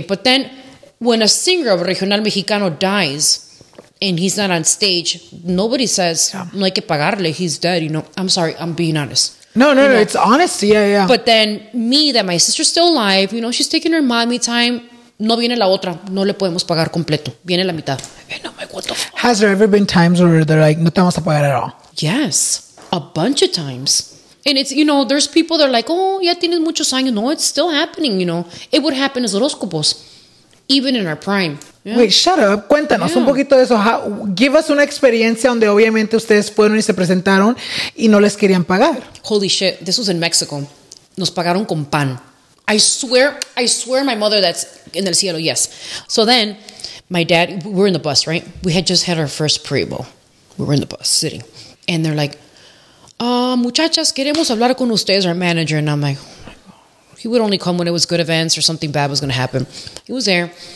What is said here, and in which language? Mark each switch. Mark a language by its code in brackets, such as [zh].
[en] But then when a singer of Regional Mexicano dies and he's not on stage, nobody says, [es] no hay que pagarle, [en] he's dead, you know. I'm sorry, I'm being honest. No, it's honest, yeah. But then me, that my sister's still alive, you know, she's taking her mommy time. [es] No viene la otra, no le podemos pagar completo. Viene la mitad. [en] And I'm like, what the fuck? Has there ever been times where they're like, [es] no te vamos a pagar [en] at all? Yes, a bunch of times. And it's, you know, there's people that are like, oh, [es] ya tienes muchos años. [en] No, it's still happening, you know. It would happen as horoscopos, even in our prime. Yeah. Wait, shut up. [es] Cuéntanos un poquito de eso. [en] Give us [es] una experiencia donde obviamente ustedes fueron y se presentaron y no les querían pagar. [en] Holy shit, this was in Mexico. [es] Nos pagaron con pan. [en] I swear my mother that's in [es] el cielo, [en] yes. So then, my dad, we're in the bus, right? We had just had our first prebo. We were in the bus sitting. And they're like, [es] muchachas, queremos hablar con ustedes, [en] our manager. And I'm like, he would only come when it was good events or something bad was going to happen. He was there.